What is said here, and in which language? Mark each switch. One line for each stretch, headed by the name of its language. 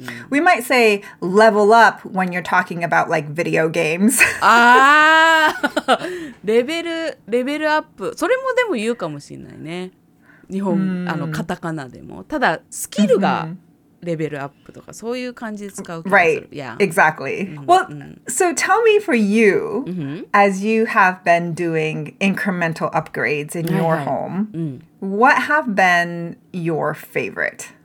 English: We might say level up when you're talking about like video games.
Japanese: ああ、レベルアップ、それもでも言うかもしれないね。日本、あのカタカナでも、ただスキルが。レベルアップとかそういう感じで使う気がする。
English: Right, yeah. Exactly. Well, so tell me for you, as you have been doing incremental upgrades in your home, what have been your favorite?